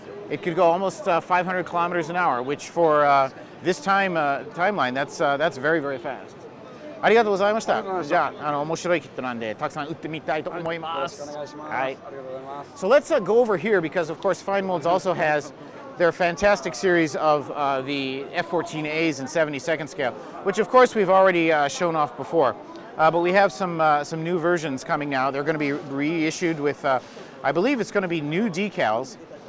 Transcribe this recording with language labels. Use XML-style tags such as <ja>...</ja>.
<en>It could go almost 500 kilometers an hour, which for this timeline, that's very, very fast.</en> <ja>ありがとうございました。じゃあ、面白いキットなんで、たくさん打ってみたいと思います。よろしくお願いします。はい。ありがとうございます。</ja> <en>So let's go over here because, of course, Fine Molds also has their fantastic series of the F-14As in 72nd scale, which, of course, we've already shown off before. But we have some new versions coming now. They're going to be reissued with, I believe it's going to be new decals.</en>